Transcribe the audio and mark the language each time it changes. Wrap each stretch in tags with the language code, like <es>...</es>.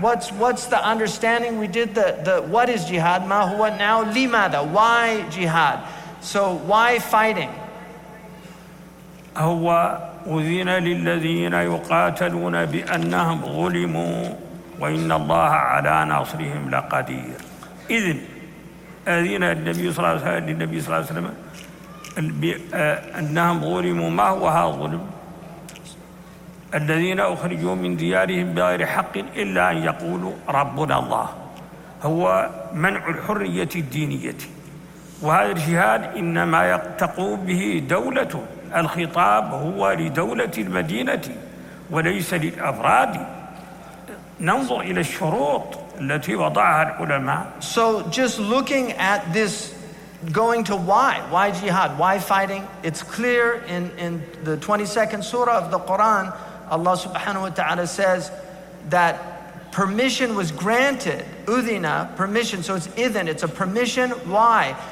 <en>What's the understanding? We did the what is jihad?</en> <ar>ما هو</ar> <en>now</en> <ar>لماذا?</ar> <en>Why jihad? So why fighting?</en> <ar>هو أذن للذين يقاتلون بأنهم ظلموا وإن الله على نصرهم لقدير. إذن أذن النبي صلى الله عليه وسلم للنبي صلى الله عليه وسلم بأنهم ظلموا. ما هو هذا الظلم؟ الذين أخرجوا من ديارهم بغير حق إلا أن يقولوا ربنا الله. هو منع الحرية الدينية. وهذا الجهاد إنما تقوم به دولة. الخطاب هو لدولة المدينة وليس للأفراد. ننظر إلى الشروط التي وضعها العلماء.</ar> <en>So just looking at this, going to why jihad, why fighting? It's clear in the 22nd surah of the Quran, Allah subhanahu wa ta'ala says that permission was granted, udhina, permission, so it's idhin, it's a permission, why?</en>